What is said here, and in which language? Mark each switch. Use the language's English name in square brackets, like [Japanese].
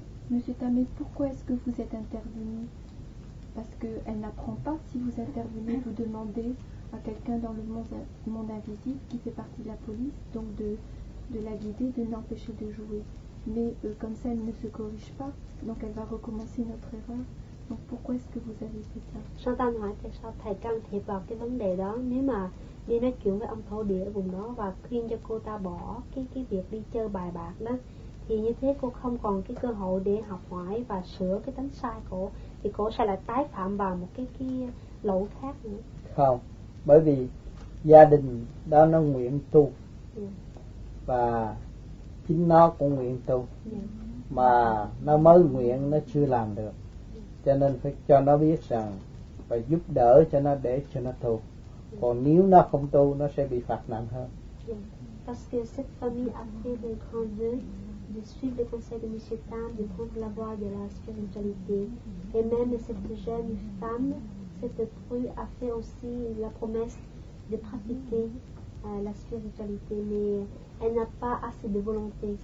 [French] Monsieur Tam, mais pourquoi est-ce que vous êtes intervenu? Parce qu'elle n'apprend pas. Si vous intervenez, vous demandez à quelqu'un dans le monde invisible qui fait partie de la police, donc de la guider, de l'empêcher de jouer. Mais comme ça, elle ne se corrige pas, donc elle va recommencer notre erreur. Donc pourquoi est-ce que vous avez fait ça? [Vietnamese] Sau ta nói thì sao thầy can thiệp vào cái vấn đề đó, nếu mà đi nói chuyện với ông thổ địa ở vùng đó và khuyên cho cô ta bỏ cái việc đi chơi bài bạc đó, thì như thế cô không còn cái cơ hội để học hỏi và sửa cái tánh sai của thì cô sẽ lại tái phạm vào một cái lỗi khác nữa. Không, bởi vì gia đình đó nó nguyện tu và chính nó cũng nguyện tu, mà nó mới nguyện nó chưa làm được, cho nên phải cho nó biết rằng phải giúp đỡ cho nó để cho nó tu. Còn nếu nó không tu nó sẽ bị phạt nặng hơn. [French] Parce que cette famille a fait le grand vœu de suivre le conseil de Monsieur Tam, de prendre la voie de la spiritualité. Et même cette jeune femme, cette prue, a fait aussi la promesse de pratiquer la spiritualité, mais elle n'a pas assez de volonté.